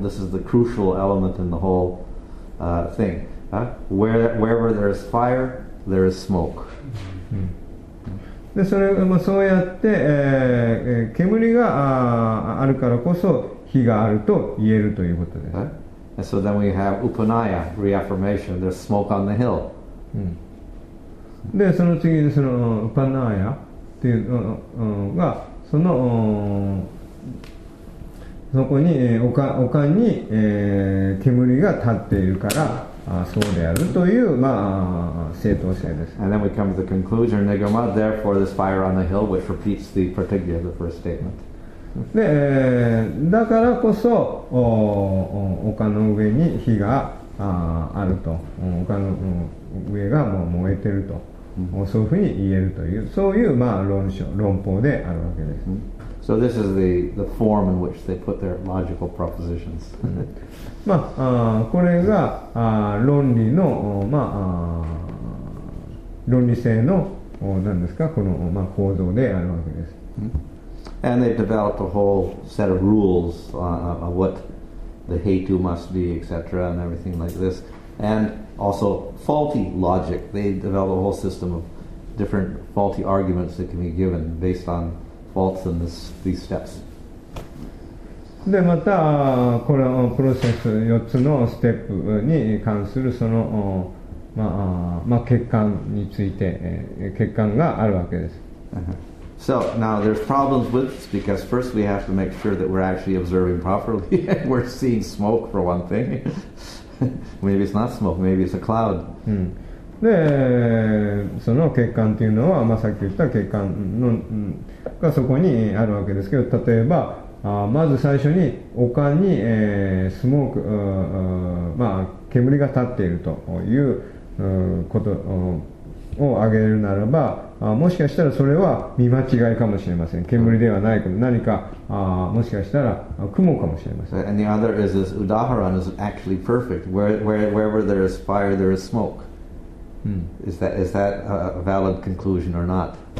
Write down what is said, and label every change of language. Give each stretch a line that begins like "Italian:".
English: This is the crucial element in the whole thing. Wherever there is fire, there is smoke.
Japanese: で、それもそうやって、煙があるからこそ火があると言えるということです。
English: And so then we have upanaya, reaffirmation. There's smoke on the hill.
Japanese: で、その次にその upanaya っていうのがそのそこに丘に、煙が立っているから。そうであるという、まあ、正当性です。
English: And then we come to the conclusion, Nigama, therefore this fire on the hill, which repeats the particular of the first statement.
Japanese: で、だからこそ、丘の上に火が、あると。丘の上がもう燃えてると。そういうふうに言えるという、そういう、まあ、論法であるわけです。
English: So this is the form in which they put their logical propositions.
Japanese: まあ、これが論理の、まあ、論理性の何ですか、この、まあ、構造であるわけです。
English: And they've developed a whole set of rules on what the hetu must be, etc., and everything like this. And also faulty logic. They developed a whole system of different faulty arguments that can be given based on faults in these steps.
Japanese: でまたこのプロセス4つのステップに関するその、まあまあ、欠陥について欠陥があるわけです。 Uh-huh.
English: So now there's problems with this because first we have to make sure that we're actually observing properly. We're seeing smoke for one thing. Maybe it's not smoke. Maybe it's a cloud.
Japanese: でその欠陥というのは、まあ、さっき言った欠陥のがそこにあるわけですけど、例えばまず最初に丘に、スモーク、まあ、煙が立っているという、ことを挙げるならば、もしかしたらそれは見間違いかもしれません。煙ではないけど何か、もしかしたら雲かもしれません。
English: And the other is this udaharan is actually perfect. Wherever there is fire, there is smoke. Is that a valid conclusion or not?